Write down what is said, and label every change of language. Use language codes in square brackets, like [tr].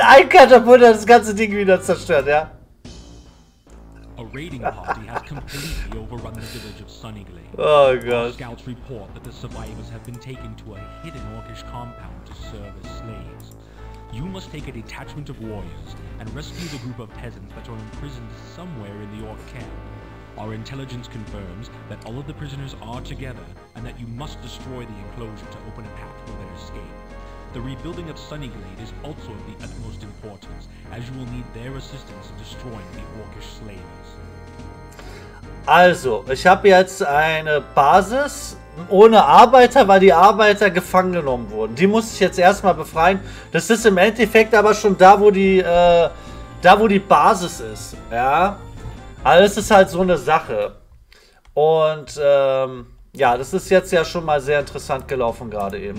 [de] Ein Katapult hat das ganze Ding wieder zerstört, ja. [en] A raiding party has completely overrun the village of Sunnyglade. Oh god. Scouts report that the survivors have been taken to a hidden orcish compound to serve as slaves. You must take a detachment of warriors and rescue the group of peasants that are imprisoned somewhere in the orc camp. Our intelligence confirms that all of the prisoners are together and that you must destroy the enclosure to open a path for their escape. The rebuilding of Sunnyglade is also of the utmost importance, as you will need their assistance in destroying the orcish slavers. [de] Also, ich habe jetzt eine Basis ohne Arbeiter, weil die Arbeiter gefangen genommen wurden. Die muss ich jetzt erstmal befreien. Das ist im Endeffekt aber schon da, wo die Basis ist, ja? Alles ist halt so eine Sache. Und ja, das ist jetzt ja schon mal sehr interessant gelaufen gerade eben.